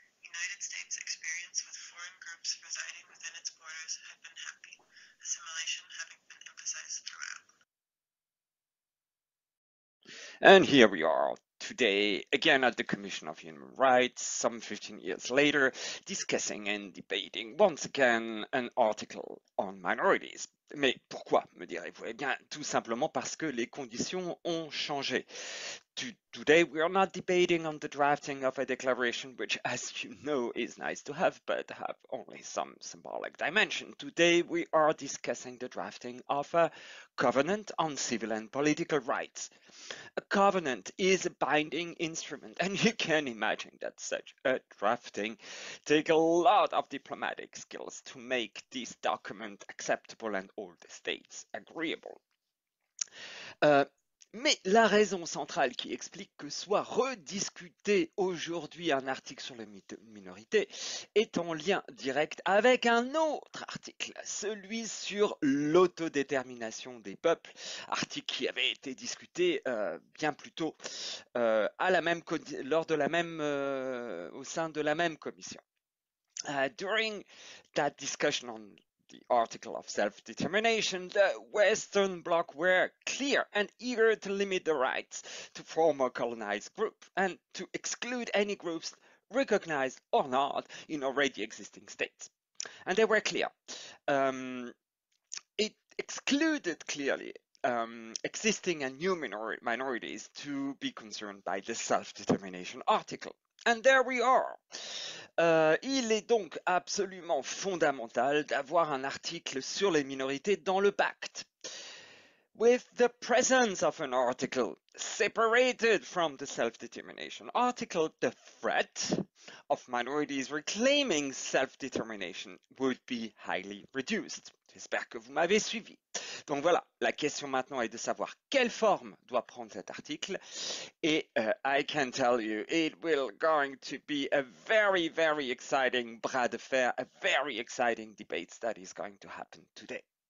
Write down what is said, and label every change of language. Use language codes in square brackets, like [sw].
[en] United States' experience with foreign groups residing within its borders had been happy, assimilation having been emphasized throughout. And here we are today, again at the Commission of Human Rights, some 15 years later, discussing and debating once again an article on minorities. [fr] Mais pourquoi, me direz-vous? Eh bien, tout simplement parce que les conditions ont changé. [en] Today we are not debating on the drafting of a declaration, which, as you know, is nice to have, but have only some symbolic dimension. Today we are discussing the drafting of a covenant on civil and political rights. A covenant is a binding instrument, and you can imagine that such a drafting takes a lot of diplomatic skills to make this document acceptable and all the states agreeable. [fr] Mais la raison centrale qui explique que soit rediscuté aujourd'hui un article sur les minorités est en lien direct avec un autre article, celui sur l'autodétermination des peuples, article qui avait été discuté bien plus tôt au sein de la même commission. [en] During that discussion on the article of self-determination, the Western Bloc were clear and eager to limit the rights to former colonized groups and to exclude any groups recognized or not in already existing states. And they were clear. It excluded clearly existing and new minorities to be concerned by the self-determination article. And there we are. [fr] Il est donc absolument fondamental d'avoir un article sur les minorités dans le pacte. [en] With the presence of an article separated from the self-determination article, the threat of minorities reclaiming self-determination would be highly reduced. [fr] J'espère que vous m'avez suivi. Donc voilà, la question maintenant est de savoir quelle forme doit prendre cet article. [en] Et I can tell you, it will going to be a very, very exciting [fr] bras de fer, [en] a very exciting debate that is going to happen today.